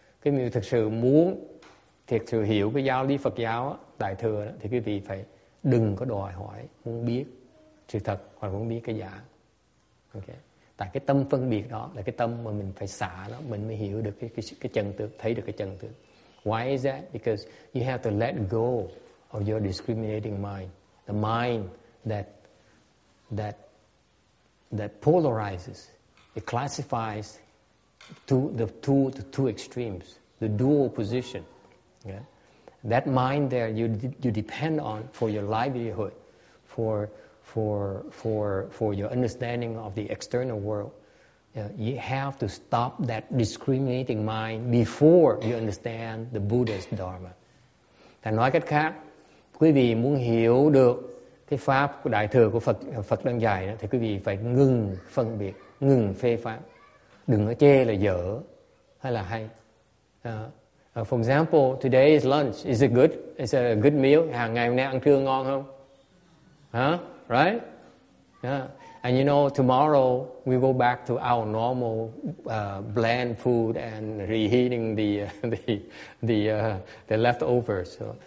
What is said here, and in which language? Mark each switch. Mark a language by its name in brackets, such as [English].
[Vietnamese] Cái mình thực sự muốn thiệt sự hiểu cái giáo lý Phật giáo đại thừa đó, thì quý vị phải đừng có đòi hỏi muốn biết sự thật hoặc muốn biết cái giả. Okay. Tại cái tâm phân biệt đó là cái tâm mà mình phải xả nó, mình mới hiểu được cái chân tướng, thấy được cái chân tướng. [English] Why is that? Because you have to let go of your discriminating mind, the mind that polarizes, it classifies the two extremes, the dual position. Yeah? That mind there you depend on for your livelihood, for your understanding of the external world. You have to stop that discriminating mind before you understand the Buddha's Dharma. [Vietnamese] Thì nói cách khác, quý vị muốn hiểu được cái pháp của đại thừa của Phật đang dạy thì quý vị phải ngừng phân biệt, ngừng phê phán, đừng có chê là dở hay là hay. [English] For example, today is lunch. Is it good? Is it a good meal? [Vietnamese] Hàng ngày hôm nay ăn trưa ngon không? [English] Huh? Right? Yeah. And you know, tomorrow we go back to our normal bland food and reheating the leftovers.